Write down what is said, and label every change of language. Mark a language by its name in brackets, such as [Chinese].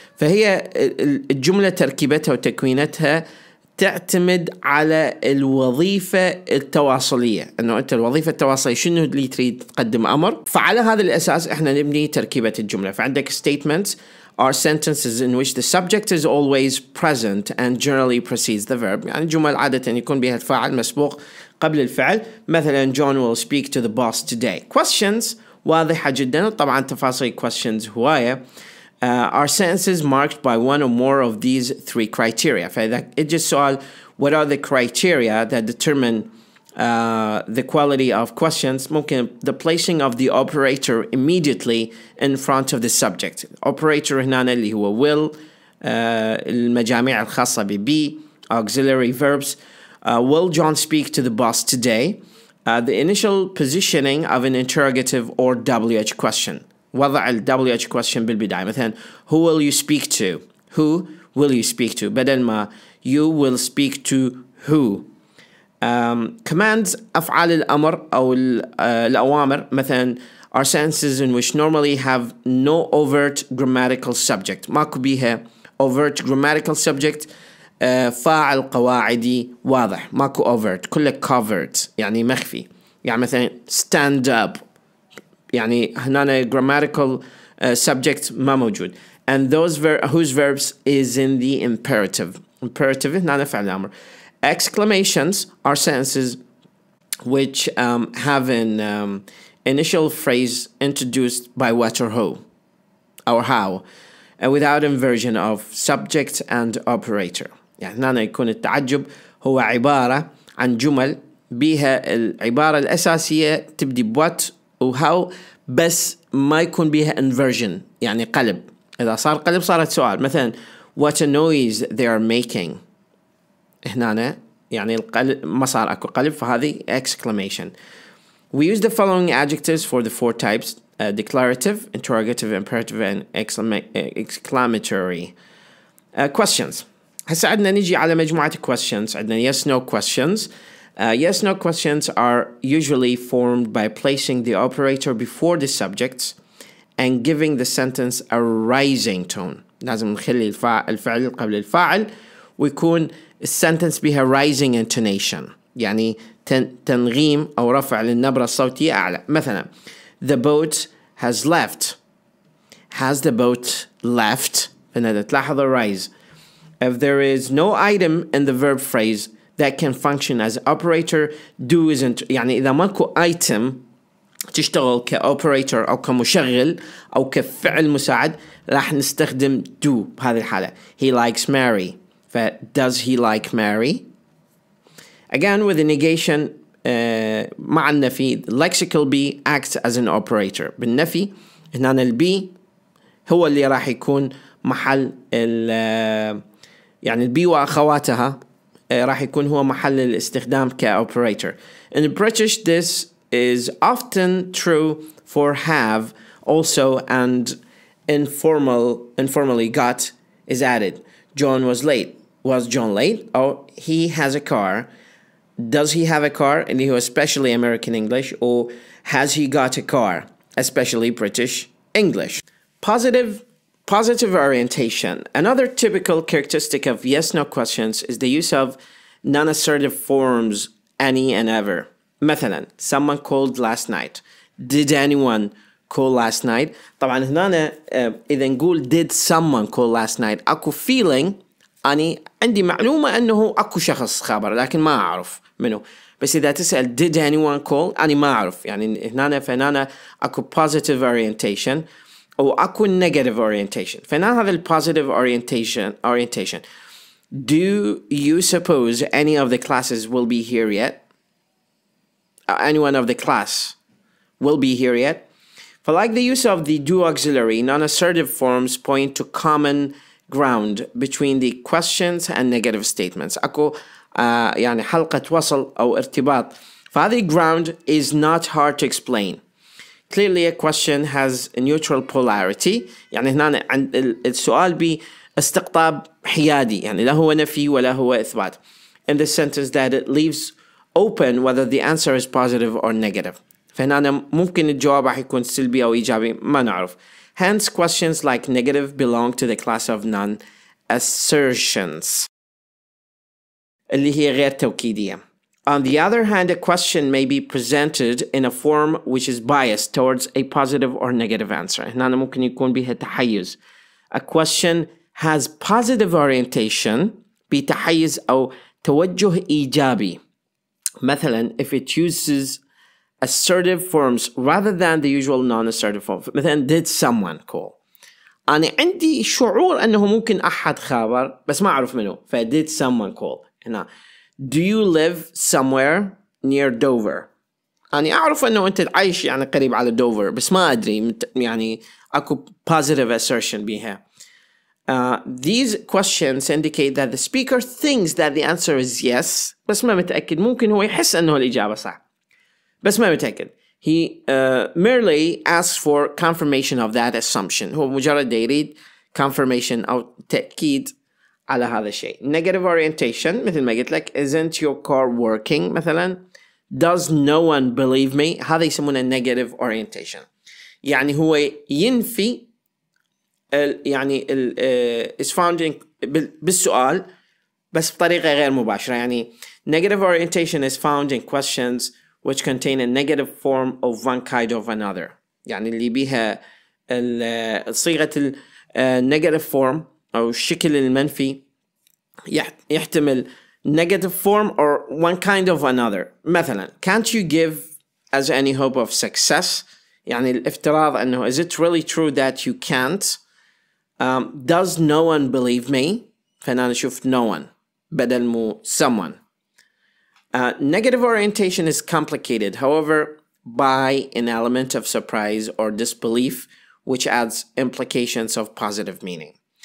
[Arabic] فهي الجملة تركيبتها وتكوينتها تعتمد على الوظيفة التواصلية، انه انت الوظيفة التواصلية شنو اللي تريد تقدم امر. فعلى هذا الاساس احنا نبني تركيبة الجملة. فعندك [English] statements are sentences in which the subject is always present and generally precedes the verb. [Arabic] يعني جمل عادة يكون بها الفاعل مسبوق قبل الفعل، مثلا [English] John will speak to the boss today. [Arabic] Questions واضحة جدا، طبعا تفاصيل questions هواية. [English] Are sentences marked by one or more of these three criteria? [Arabic] فإذا إجت سؤال [English] what are the criteria that determine the quality of questions، [Arabic] ممكن [English] the placing of the operator immediately in front of the subject. [Arabic] Operator هنا اللي هو will، المجاميع الخاصة بـ be، auxiliary verbs. [English] Will John speak to the boss today? The initial positioning of an interrogative or WH question. [Arabic] وضع الـ WH question بالبداية، مثلا [English] who will you speak to؟ [Arabic] who will you speak to؟ بدل ما [English] you will speak to who. Commands [Arabic] أفعال الأمر أو الأوامر، مثلا [English] are sentences in which normally have no overt grammatical subject. [Arabic] ماكو بيها overt grammatical subject، فاعل قواعدي واضح، ماكو overt، كله covered يعني مخفي. يعني مثلا stand up يعني هنا grammatical subject ما موجود. [English] And those whose verbs is in the imperative. Imperative [Arabic] هنا فعل أمر. [English] Exclamations are sentences which have an initial phrase introduced by what or who or how without inversion of subject and operator. [Arabic] يعني هنا يكون التعجب هو عبارة عن جمل بها العبارة الأساسية تبدي بوات وهاو بس ما يكون بها inversion يعني قلب. إذا صار قلب صارت سؤال، مثلا [English] what a noise they are making، [Arabic] هنا يعني القلب ما صار أكو قلب، فهذه exclamation. [English] We use the following adjectives for the four types: declarative, interrogative, imperative and exclamatory. Questions. [Arabic] هسا عندنا نجي على مجموعة questions. عندنا yes no questions. [English] Yes, no questions are usually formed by placing the operator before the subject and giving the sentence a rising tone. [Arabic] لازم نخلي الفعل قبل الفاعل ويكون sentence بها rising intonation. يعني تنغيم أو رفع للنبرة الصوتية أعلى. مثلا [English] the boat has left. Has the boat left? [Arabic] فنادة تلاحظ rise. [English] If there is no item in the verb phrase that can function as operator, do isn't. [Arabic] يعني إذا ماكو item تشتغل كoperator أو كمشغل أو كفعل مساعد راح نستخدم do بهذه الحالة. [English] He likes Mary. Does he like Mary? Again with the negation [Arabic] مع النفي, [English] lexical be acts as an operator. [Arabic] بالنفي هنا البي هو اللي راح يكون محل ال يعني البي وأخواتها راح يكون هو محل الاستخدام كoperator. [English] In the British, this is often true for have also, and informally got is added. John was late. Was John late? Oh, he has a car. does he have a car, and he was especially American English, or has he got a car, especially British English. Positive orientation. Another typical characteristic of yes-no questions is the use of non-assertive forms, any and ever. [Arabic] مثلا, [English] someone called last night. Did anyone call last night? [Arabic] طبعا هنا إذا نقول [English] did someone call last night, [Arabic] أكو feeling, أني عندي معلومة أنه أكو شخص خبر, لكن ما أعرف منه. بس إذا تسأل [English] did anyone call, [Arabic] أني ما أعرف. يعني هنا فنانا أكو positive orientation أو أكو negative orientation. فنان هذا positive orientation. [English] Do you suppose any of the classes will be here yet? Anyone of the class will be here yet? For like the use of the do auxiliary, non-assertive forms point to common ground between the questions and negative statements. [Arabic] أكو يعني حلقة وصل أو ارتباط. فهذه [English] ground is not hard to explain. Clearly a question has a neutral polarity. [Arabic] يعني هنا السؤال بي استقطاب حيادي. يعني لا هو نفي ولا هو إثبات. [English] In the sentence that it leaves open whether the answer is positive or negative. [Arabic] فهنا ممكن الجواب حيكون سلبي أو إيجابي, ما نعرف. [English] Hence, questions like negative belong to the class of non-assertions. [Arabic] اللي هي غير توكيدية. [English] On the other hand, a question may be presented in a form which is biased towards a positive or negative answer. [Arabic] هنا ممكن يكون بها تحيز. [English] A question has positive orientation, [Arabic] بتحيز أو توجه إيجابي. مثلا, [English] if it uses assertive forms rather than the usual non-assertive forms. [Arabic] مثلا, [English] did someone call? [Arabic] أنا عندي شعور أنه ممكن أحد خبر, بس ما أعرف منه. [English] فdid someone call? [Arabic] هنا. [English] Do you live somewhere near Dover? [Arabic] أنا أعرف أنه أنت عايش يعني قريب على Dover, بس ما أدري. يعني أكو positive assertion بها. [English] These questions indicate that the speaker thinks that the answer is yes. [Arabic] بس ما متأكد. ممكن هو يحس أنه الإجابة صح. بس ما متأكد. [English] He merely asks for confirmation of that assumption. [Arabic] هو مجرد يريد confirmation أو تأكيد على هذا الشيء. [English] Negative orientation, [Arabic] مثل ما قلت لك, [English] isn't your car working, [Arabic] مثلا. [English] Does no one believe me? [Arabic] هذا يسمونه [English] negative orientation. [Arabic] يعني هو ينفي يعني [English] is found in [Arabic] بالسؤال بس بطريقة غير مباشرة. يعني [English] negative orientation is found in questions which contain a negative form of one kind of another. [Arabic] يعني اللي بيها صيغة negative form أو الشكل المنفي يحتمل negative form [English] or one kind of another. مثلا, can't you give us any hope of success? [Arabic] يعني الافتراض أنه [English] is it really true that you can't? Does no one believe me? [Arabic] فنانا شوف [English] no one بدل مو someone. Negative orientation is complicated, however, by an element of surprise or disbelief, which adds implications of positive meaning.